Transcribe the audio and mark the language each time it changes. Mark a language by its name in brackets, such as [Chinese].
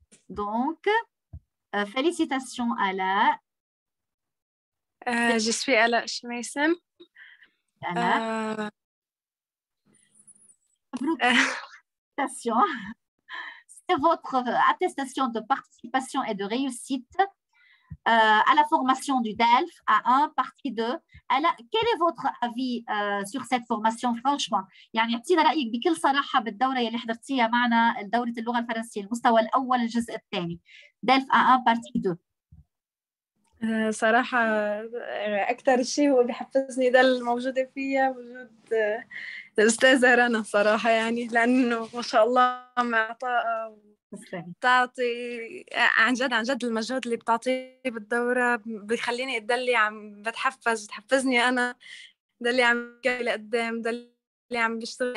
[French] Donc félicitations الا. Je suis الا شميسم. الا félicitations. C'est votre attestation de participation et de réussite à la formation du DELF A1, partie 2. Alors, quel est votre avis sur cette formation, franchement? [Arabic] يعني اعطينا رأيك بكل صراحة بالدورة اللي حضرتيها معنا، دورة اللغة الفرنسية المستوى الأول الجزء الثاني DELF A1 partie 2. صراحة أكثر شيء هو بيحفزني ده الموجودة فيها وجود الأستاذة رنا صراحة، يعني لأنه ما شاء الله معطاء وتعطي عن جد المجهود اللي بتعطيه بالدورة بيخليني ده اللي عم بتحفز، بتحفزني أنا ده اللي عم جاي لقدام، ده اللي عم بشتغل.